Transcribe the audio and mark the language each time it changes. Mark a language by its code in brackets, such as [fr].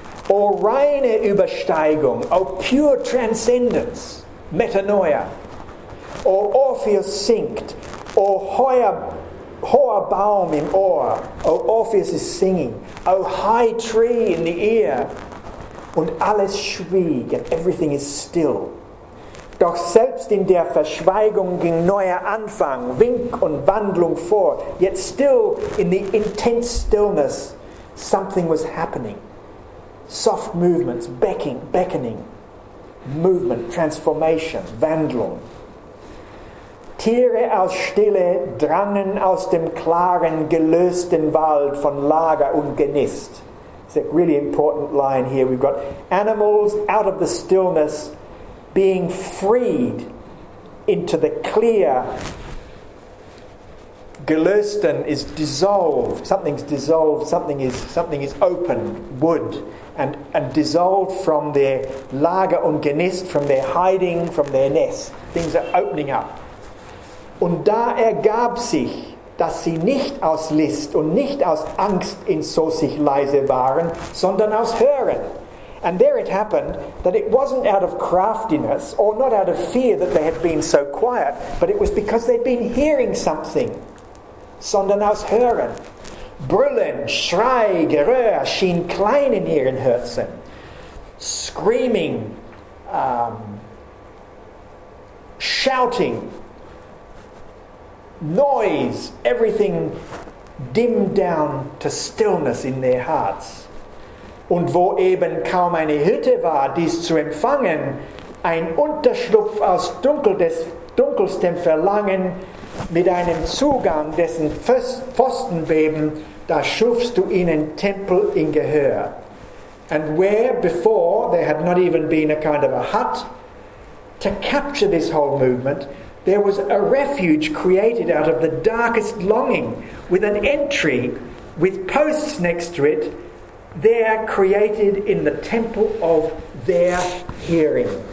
[de] O reine Übersteigung. [en] O pure transcendence. [de] Metanoia. O Orpheus singt. O hoher Baum im Ohr. [en] O Orpheus is singing. O high tree in the ear. [de] Und alles schwieg. [en] And everything is still. [de] Doch selbst in der Verschweigung ging neuer Anfang, Wink und Wandlung vor. [en] Yet still in the intense stillness, something was happening. Soft movements, beckoning. Movement, transformation, Wandlung. [de] Tiere aus Stille drangen aus dem klaren, gelösten Wald von Lager und Genist. [en] It's a really important line here. We've got animals out of the stillness being freed into the clear. Gelösten is dissolved. Something's dissolved. Something is open. Wood. And dissolved from their [de] Lager und Genist, [en] from their hiding, from their nest. Things are opening up. [de] Und da ergab sich, dass sie nicht aus List und nicht aus Angst in so sich leise waren, sondern aus Hören. [en] And there it happened that it wasn't out of craftiness or not out of fear that they had been so quiet, but it was because they'd been hearing something. [de] Sondern aus Hören. Brüllen, Schrei, Geröhr, schien klein in ihren Herzen. [en] Screaming, shouting, noise, everything dimmed down to stillness in their hearts. [de] Und wo eben kaum eine Hütte war, dies zu empfangen, ein Unterschlupf aus dunkelstem Verlangen, mit einem Zugang, dessen Pfosten beben, da schufst du ihnen Tempel in Gehör. [en] And where before there had not even been a kind of a hut, to capture this whole movement, there was a refuge created out of the darkest longing, with an entry, with posts next to it, there created in the temple of their hearing.